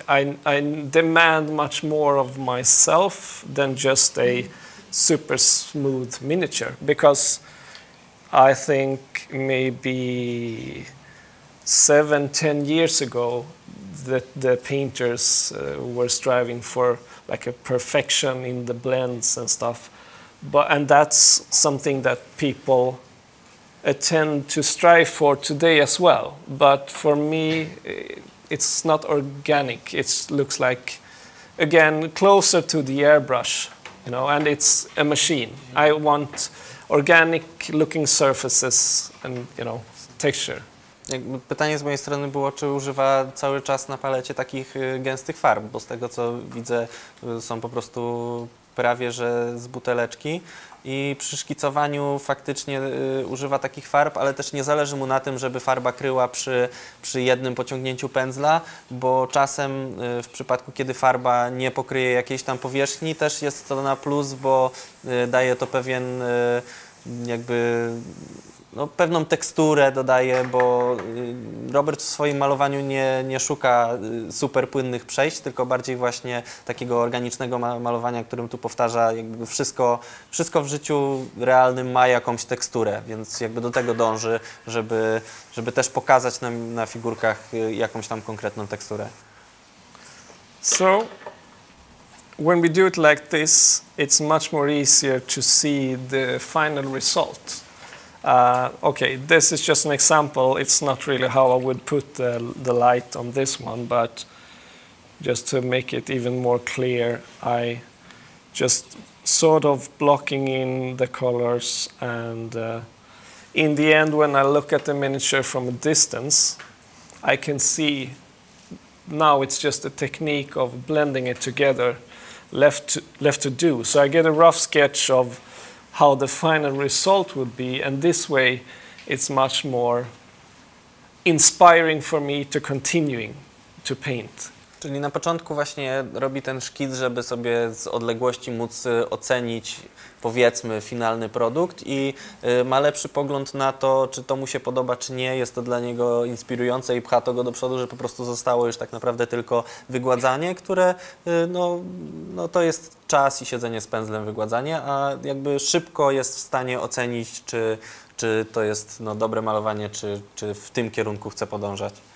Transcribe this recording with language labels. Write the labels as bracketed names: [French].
[English] I demand much more of myself than just a super smooth miniature, because I think maybe 7-10 years ago that the painters were striving for like a perfection in the blends and stuff, and that's something that people attend to strive for today as well. But for me, it's not organic. It looks like, again, closer to the airbrush, you know, and it's a machine. Mm-hmm. I want organic looking surfaces and, you know, texture. [Polish] Pytanie z mojej strony było, czy używa cały czas na palecie takich gęstych farb, bo z tego co widzę, są po prostu prawie że z buteleczki. I przy szkicowaniu faktycznie używa takich farb, ale też nie zależy mu na tym, żeby farba kryła przy jednym pociągnięciu pędzla, bo czasem w przypadku, kiedy farba nie pokryje jakiejś tam powierzchni, też jest to na plus, bo daje to pewien jakby... No, pewną teksturę dodaje, bo Robert w swoim malowaniu nie szuka super płynnych przejść, tylko bardziej właśnie takiego organicznego malowania, którym tu powtarza, jakby wszystko w życiu realnym ma jakąś teksturę, więc jakby do tego dąży, żeby też pokazać na figurkach jakąś tam konkretną teksturę. [English] So, when we do it like this, it's much more easier to see the final result. Okay, this is just an example. It's not really how I would put the light on this one, but just to make it even more clear, I just sort of blocking in the colors, and in the end, when I look at the miniature from a distance, I can see now it's just a technique of blending it together left to do. So I get a rough sketch of how the final result would be, and this way it's much more inspiring for me to continuing to paint. [Polish] Czyli na początku właśnie robi ten szkic, żeby sobie z odległości móc ocenić, powiedzmy, finalny produkt i ma lepszy pogląd na to, czy to mu się podoba, czy nie. Jest to dla niego inspirujące i pcha to go do przodu, że po prostu zostało już tak naprawdę tylko wygładzanie, które no to jest czas i siedzenie z pędzlem wygładzanie, a jakby szybko jest w stanie ocenić, czy to jest dobre malowanie, czy w tym kierunku chce podążać.